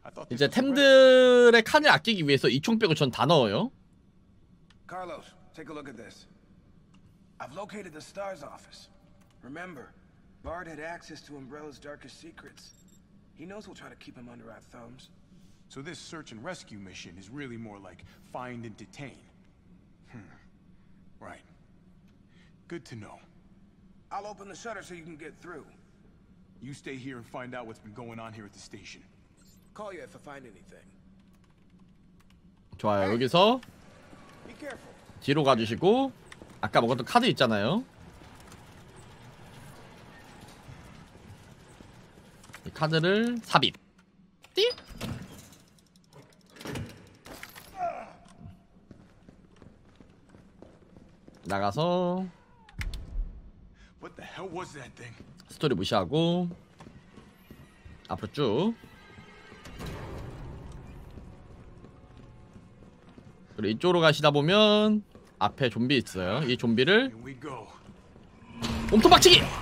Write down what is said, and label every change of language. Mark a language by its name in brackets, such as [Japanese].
[Korean] 이제 템들의 칸을 아끼기 위해서 이 총 빼고 전 다 넣어요. [English] Carlos, take a look at this. I've located the Star's office. Remember, Bard had access to Umbrella's darkest secrets. He knows we'll try to keep him under our thumbs. So this search and rescue mission is really more like find and detain. Right. Good to know. I'll open the shutter so you can get through. You stay here and find out what's been going on here at the station. Call you if I find anything. [Korean] 좋아요. 여기서 [English] Be careful. [Korean] 뒤로 가주시고 아까 먹었던 카드 있잖아요. 이 카드를 삽입. 띠. 나가서 [English] What the hell was that thing? [Korean] 스토리 무시하고 앞으로 쭉. 그리고 이쪽으로 가시다 보면 앞에 좀비 있어요. 이 좀비를 몸통 박치기.